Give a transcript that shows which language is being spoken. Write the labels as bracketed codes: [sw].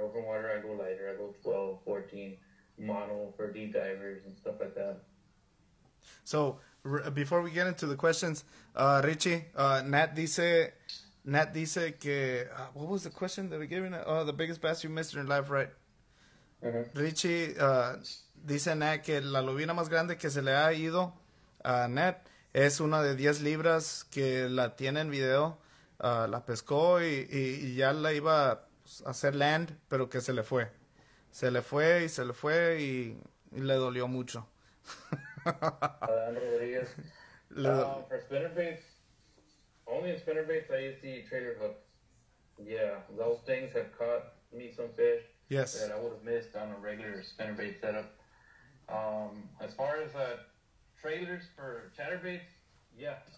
[en] Open water, I go lighter. I go 12, 14 mono for deep divers and stuff like that. So before we get into the questions, Richie, Nat [es] dice que, [en] what was the question that we gave you? Oh, the biggest bass you missed in your life, right? Uh-huh. [es] Richie dice Nat que la lobina más grande que se le ha ido a Nat es una de 10 libras que la tiene en video. La pescó y ya la iba a hacer land, pero que se le fue. Se le fue y se le fue y le dolió mucho. [en] For spinnerbaits, only in spinnerbaits I use the trailer hook. Yeah, those things have caught me some fish. Yes. That I would have missed on a regular spinnerbait setup. As far as trailers for chatterbaits, yeah.